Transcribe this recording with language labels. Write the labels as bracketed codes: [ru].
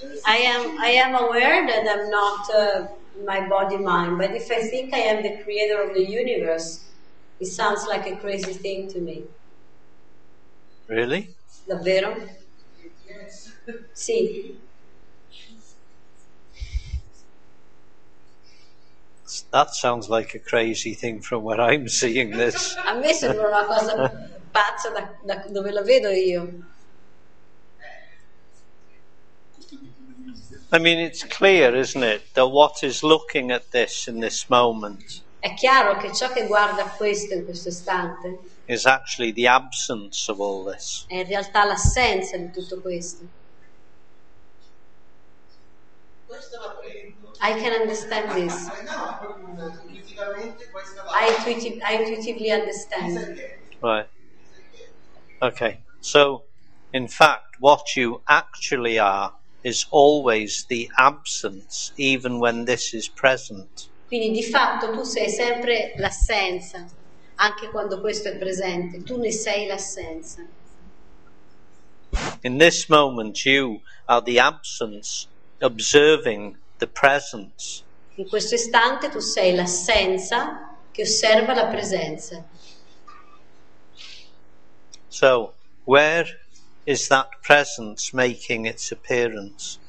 [en] I am aware that I'm not my body mind, but if I think I am the creator of the universe, it sounds like a crazy thing to me. Really? [it] Davvero? [en] Yes. [it] Sì. [en] That sounds like a crazy thing from where I'm seeing this. [it] A me sembra una cosa pazza da dove la vedo io. [en] I mean, it's clear, isn't it, that what is looking at this in this moment? [it] È chiaro che ciò che guarda questo in questo istante [en] is actually the absence of all this. [it] È in realtà l'assenza di tutto questo. [en] I can understand this. I intuitively understand. Right. Okay. So, in fact, what you actually are is always the absence, even when this is present. [it] Quindi di fatto tu sei sempre l'assenza, anche quando questo è presente, tu ne sei l'assenza. [en] In this moment you are the absence observing the presence. [it] In questo istante tu sei l'assenza che osserva la presenza. [en] So, where is that presence making its appearance?